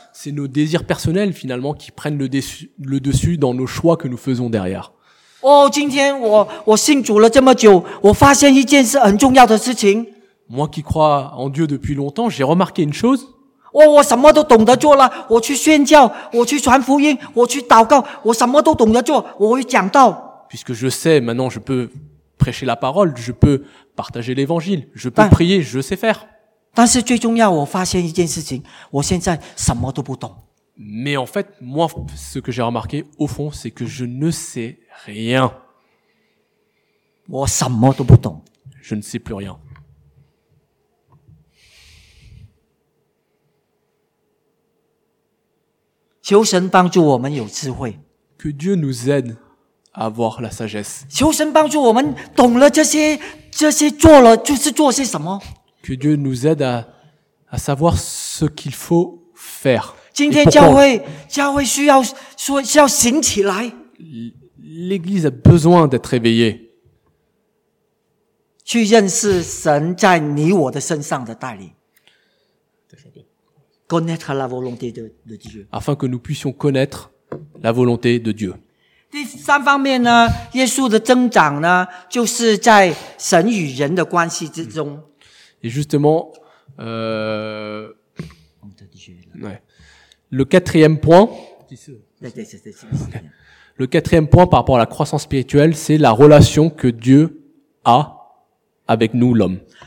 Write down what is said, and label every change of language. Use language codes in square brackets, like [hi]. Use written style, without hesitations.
[fr] C'est nos désirs personnels finalement qui prennent le dessus dans nos choix que nous faisons derrière. [zh] Oh, 今天我信主了这么久，我发现一件事很重要的事情。 [fr] Moi qui crois en Dieu depuis longtemps, j'ai remarqué une chose. [zh] Oh, 我什么都懂得做了，我去宣教，我去传福音，我去祷告，我什么都懂得做，我会讲道。 [fr] Puisque je sais maintenant, je peux prêcher la parole, je peux partager l'évangile, je peux prier, je sais faire. [zh] 但是最重要，我发现一件事情，我现在什么都不懂。 [fr] Mais en fait, moi, ce que j'ai remarqué au fond, c'est que je ne sais rien. [zh] 我什么都不懂。 [fr] Je ne sais plus rien. [zh] 求神帮助我们有智慧。 [fr] Que Dieu nous aide à avoir la sagesse. [zh] 求神帮助我们懂了这些，这些做了就是做些什么。 [fr] Que Dieu nous aide à savoir ce qu'il faut faire. [zh] 今天教会需要醒起来。 [fr] L'Église a besoin d'être éveillée. [zh] 去认识神在你我的身上的带领。 [fr] Connaître la volonté de Dieu. Afin que nous puissions connaître la volonté de Dieu. [zh] 第三方面呢，耶稣的增长呢，就是在神与人的关系之中。 [fr] Et justement, le quatrième point par rapport à la croissance spirituelle, c'est la relation que Dieu a avec nous, l'homme.